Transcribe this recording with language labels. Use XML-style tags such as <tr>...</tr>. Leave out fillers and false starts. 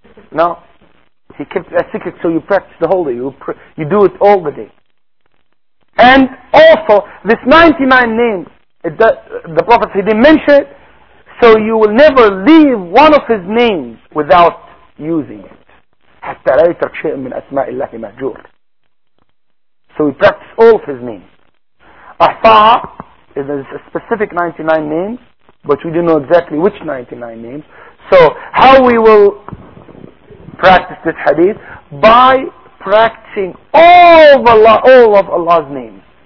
<en>No, he kept it a secret so you practice the whole day. You do it all the day. And also, this 99 names, the Prophet, he didn't mention it, so you will never leave one of his names without using it.</en> <ar>حتى لا يترك شيء من أسماء الله مهجور.</ar> <en>So we practice all of his names. أحصاها is a specific 99 names, but we don't know exactly which 99 names, So how we will practice this hadith? By practicing all of Allah's names.</en>